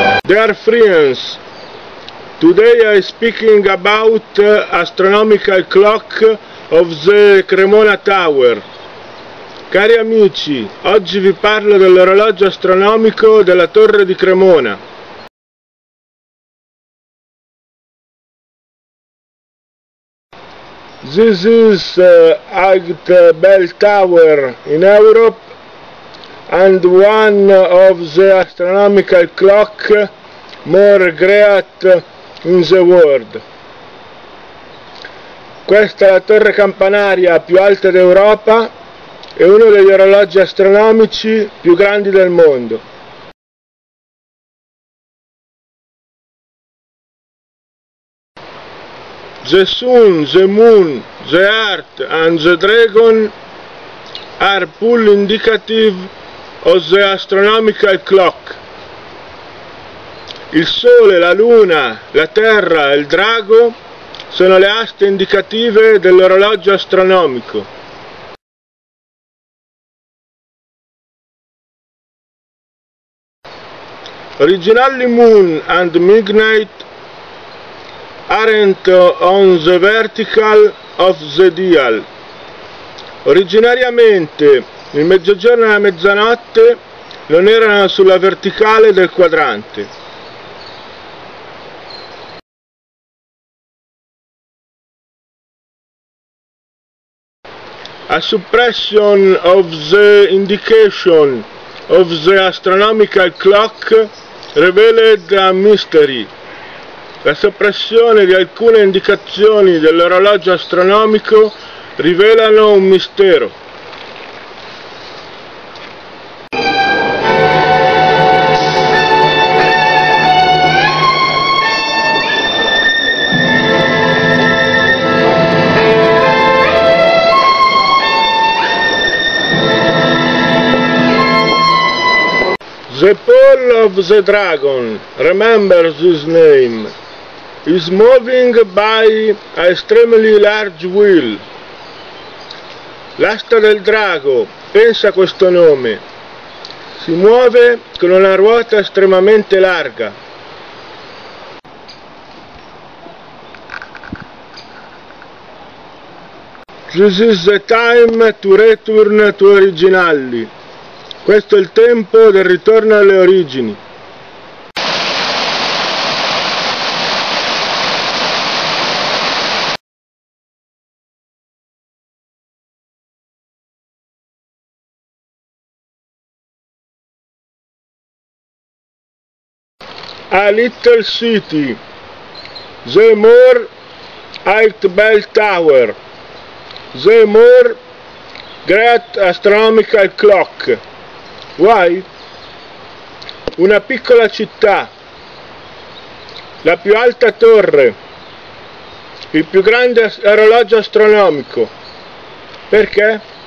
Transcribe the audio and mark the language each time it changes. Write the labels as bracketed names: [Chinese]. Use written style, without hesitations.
[English] Dear friends, today I speaking about astronomical clock of the Cremona Tower. [Italian] Cari amici, oggi vi parlo dell'orologio astronomico della Torre di Cremona. [English] This is the bell tower in Europe and one of the astronomical clock more great in the world. [Italian] Questa è la torre campanaria più alta d'Europa e uno degli orologi astronomici più grandi del mondo. [English] The sun, the moon, the earth and the dragon are full indicative of the astronomical clock. [Italian] Il sole, la luna, la terra e il drago sono le aste indicative dell'orologio astronomico. [English] Originally moon and midnight aren't on the vertical of the dial. [Italian] Originariamente il mezzogiorno e la mezzanotte non erano sulla verticale del quadrante. [English] A suppression of the indication of the astronomical clock revealed a mystery. [Italian] La soppressione di alcune indicazioni dell'orologio astronomico rivelano un mistero. [English] The pole of the dragon, remember this name, is moving by an extremely large wheel. [Italian] L'asta del drago, pensa a questo nome, si muove con una ruota estremamente larga. [English] This is the time to return to originally. [Italian] Questo è il tempo del ritorno alle origini. [English] A little city, the more height bell tower, the more great astronomical clock. Why? [Italian] Una piccola città, la più alta torre, il più grande orologio astronomico. Perché?